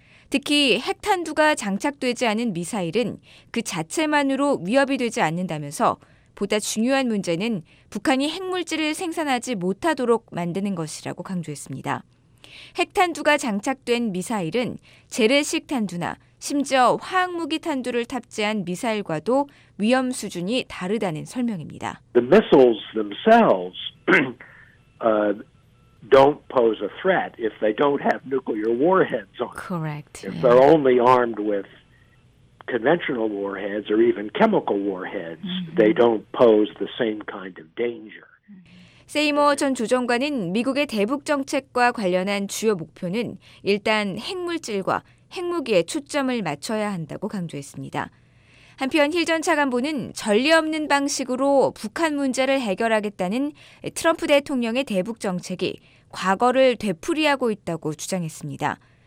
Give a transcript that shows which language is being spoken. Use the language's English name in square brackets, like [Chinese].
[Korean] 특히 핵탄두가 장착되지 않은 미사일은 그 자체만으로 위협이 되지 않는다면서 보다 중요한 문제는 북한이 핵물질을 생산하지 못하도록 만드는 것이라고 강조했습니다. 핵탄두가 장착된 미사일은 재래식 탄두나 심지어 화학무기 탄두를 탑재한 미사일과도 위험 수준이 다르다는 설명입니다. [English] The missiles themselves don't pose a threat if they don't have nuclear warheads on. Correct. If they're only armed with conventional warheads or even chemical warheads, they don't pose the same kind of danger. [Korean] 세이머 전 조정관은 미국의 대북 정책과 관련한 주요 목표는 일단 핵물질과 핵무기에 초점을 맞춰야 한다고 강조했습니다. 한편 힐 전 차관보는 전례 없는 방식으로 북한 문제를 해결하겠다는 트럼프 대통령의 대북 정책이 과거를 되풀이하고 있다고 주장했습니다.